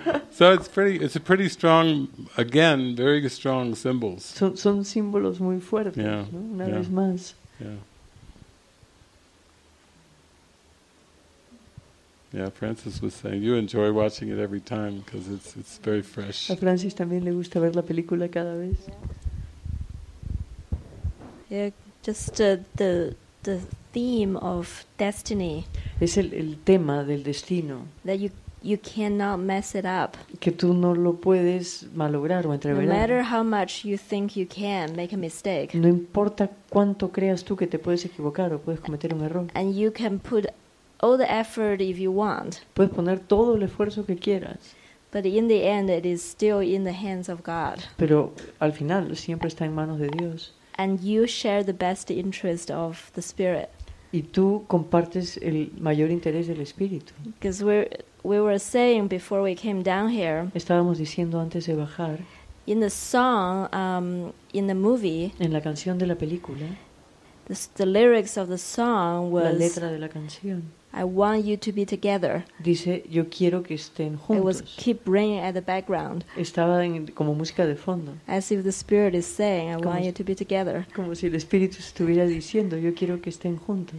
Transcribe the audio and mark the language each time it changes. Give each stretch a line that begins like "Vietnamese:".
English: So it's a pretty strong, again, very strong symbols.
Spanish: Son símbolos muy fuertes, ¿no? Una vez más.
English: Yeah, Francis was saying, you enjoy watching it every time because it's very fresh.
Spanish: A Francis también le gusta ver la película cada vez.
English: Just the theme of destiny.
Spanish: Es el tema del destino.
English: That you cannot mess it up.
Spanish: Que tú no lo puedes malograr o entreverar.
English: No matter how much you think you can make a mistake.
Spanish: No importa cuánto creas tú que te puedes equivocar o puedes cometer un error.
English: And you can put all the effort if you want.
Spanish: Puedes poner todo el esfuerzo que quieras.
English: But in the end, it is still in the hands of God.
Spanish: Pero al final siempre está en manos de Dios.
English: And you share the best interest of the spirit.
Spanish: Y tú compartes el mayor interés del espíritu.
English: Because we were saying before we came down here.
Spanish: Estábamos diciendo antes de bajar.
English: In the song, in the movie.
Spanish: En la canción de la película.
English: The lyrics of the song was.
Spanish: La letra de la canción.
English: I want you to be together.
Spanish: Dice, yo quiero que estén juntos.
English: It was keep ringing at the background.
Spanish: Estaba en, como música de fondo.
English: As if the spirit is saying, I want you to be together.
Spanish: Como si el espíritu estuviera diciendo, yo quiero que estén juntos.